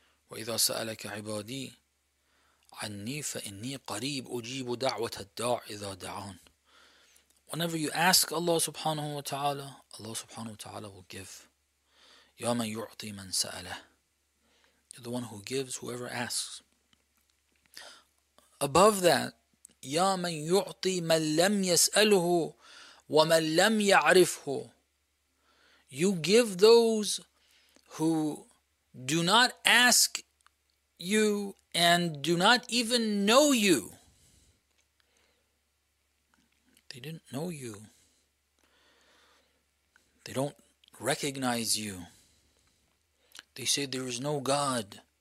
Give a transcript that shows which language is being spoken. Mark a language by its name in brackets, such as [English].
[Arabic] وَإِذَا سَأَلَكَ عِبَادِي عَنِّي فَإِنِّي قَرِيبُ أُجِيبُ دَعْوَةَ الدَّاعِ إِذَا دَعَانِ. [English] Whenever you ask Allah subhanahu wa ta'ala, Allah subhanahu wa ta'ala will give. [Arabic] يَا مَنْ يُعْطِي مَنْ سَأَلَهُ. [English] The one who gives, whoever asks. Above that, [Arabic] يَا مَنْ يُعْطِي مَنْ لَمْ يَسْأَلُهُ وَمَنْ لَمْ يَعْرِفْهُ. [English] You give those who do not ask you and do not even know you. They didn't know you. They don't recognize you. They say there is no God.